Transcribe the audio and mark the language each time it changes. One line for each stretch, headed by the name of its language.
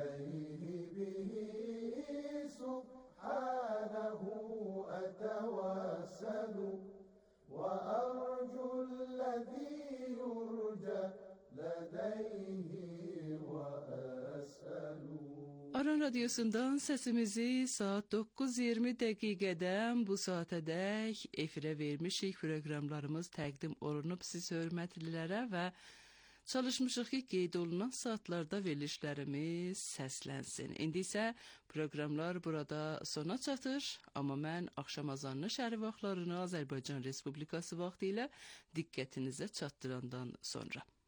Arabic: الليل به سبحانه أتوسل وأرجو الذي يرجى لديه وأسأل.
Azerbaijani: Aran Radyosu'ndan sesimizi saat 9.20 dakikadan bu saate dek efire vermişik. Programlarımız təqdim olunub siz hörmətlilərə və çalışmışıq ki, qeyd olunan saatlarda verilişlərimiz səslənsin. İndi isə programlar burada sona çatır, amma mən axşam azanlı şəhri vaxtlarını Azərbaycan Respublikası vaxtı ilə diqqətinizə çatdırandan sonra.